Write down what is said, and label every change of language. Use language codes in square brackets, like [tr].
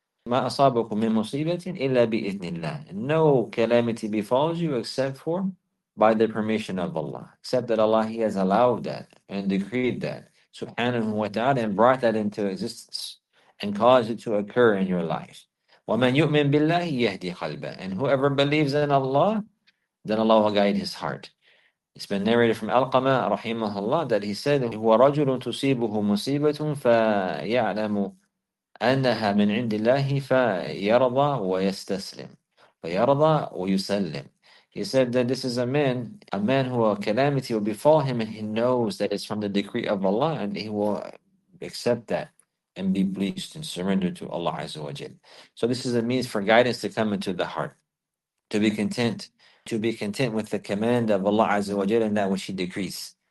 [en] مَا أَصَابَكُم مِن مُصِيبَةٍ إِلَّا بِإِذْنِ اللَّهِ, no calamity befalls you except for by the permission of Allah. Except that Allah, He has allowed that and decreed that. Subhanahu wa ta'ala, and brought that into existence and caused it to occur in your life. وَمَنْ يُؤْمِن بِاللَّهِ يَهْدِي قَلْبًا, and whoever believes in Allah, then Allah will guide his heart. [ar] It's been narrated from Alqama rahimahullah that he said, هُوَ رَجُلٌ تُصِيبُهُ مُصِيبَةٌ فَيَعْلَمُ أَنَّهَا مِنْ عِنْدِ اللَّهِ فَيَرْضَى وَيَسْتَسْلِمُ فَيَرْضَى وَيُسَلِّمُ. [en] He said that this is a man who a calamity will befall him, and he knows that it's from the decree of Allah, and he will accept that and be pleased and surrender to Allah Azza wa Jal. So this is a means for guidance to come into the heart, to be content with the command of Allah Azza wa Jal and that which he decrees.